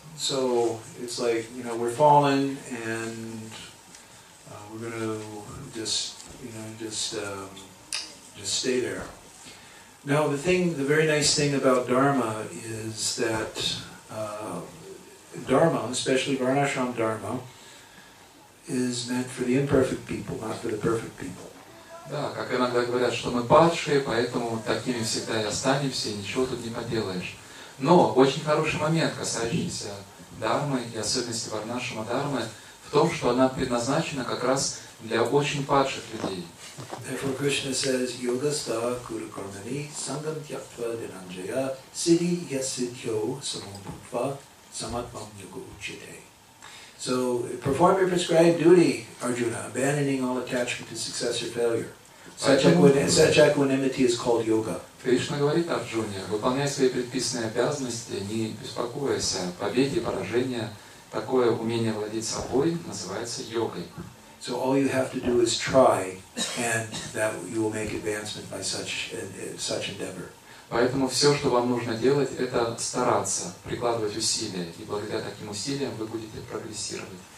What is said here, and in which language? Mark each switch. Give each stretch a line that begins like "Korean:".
English: So it's like, you know, we're fallen and we're going to just stay there. Now, the very nice thing about Dharma is that Dharma, especially Varnashram Dharma, is meant for the imperfect people, not for the perfect people.
Russian: Да, как иногда говорят, что мы падшие, поэтому такими всегда и останемся, и ничего тут не поделаешь. Но очень хороший момент, касающийся дармы и особенности Варнашрама дармы, в том, что она предназначена как раз для очень падших людей.
English: Therefore, Krishna says,
Sanskrit: Yogastha Kuru Karmani Sangam Tyaktva Dhananjaya Siddhi Yasidhyo Samobhutva Samatmam Yoga Uchite.
English: So, perform your prescribed duty, Arjuna, abandoning all attachment to success or failure. Such equanimity is called yoga.
Russian: Кришна говорит Арджуне, выполняй свои предписанные обязанности, не беспокойся о победе, поражении. Такое умение владеть собой называется йогой.
English: So all you have to do is try, and that you will make advancement by such endeavor.
Russian: Поэтому все, что вам нужно делать, это стараться, прикладывать усилия, и благодаря таким усилиям вы будете прогрессировать.